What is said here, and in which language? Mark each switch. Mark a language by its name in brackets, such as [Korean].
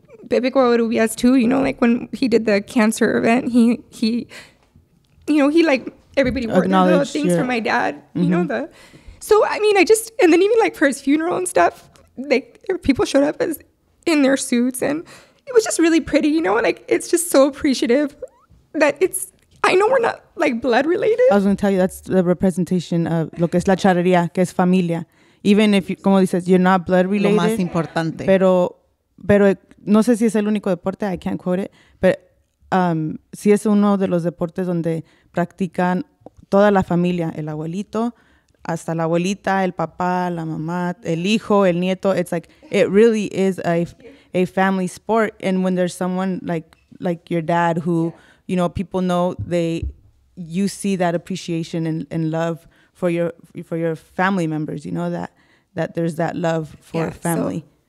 [English] Pepe Covarrubias too, you know, like when he did the cancer event, he you know, he like everybody wore the little things, yeah, for my dad, mm-hmm, you know, the, so I mean, I just, and then even like for his funeral and stuff, like people showed up as in their suits, and it was just really pretty, you know, like it's just so appreciative that it's, I know we're not like blood related. I was going to tell you, that's the representation of [Spanish] lo que es la charrería, que es familia. [English] Even if, you, [Spanish] como dices, [English] you're not blood related. [Spanish] Lo más importante. Pero no sé si es el único deporte, [English] I can't quote it, [Spanish] pero sí es uno de los deportes donde practican toda la familia, el abuelito, hasta la abuelita, el papá, la mamá, el hijo, el nieto. [English] It's like, it really is a family sport. And when there's someone like your dad who, yeah, you know, people know, they, you see that appreciation and love for your family members, you know, that there's that love for, yeah, family.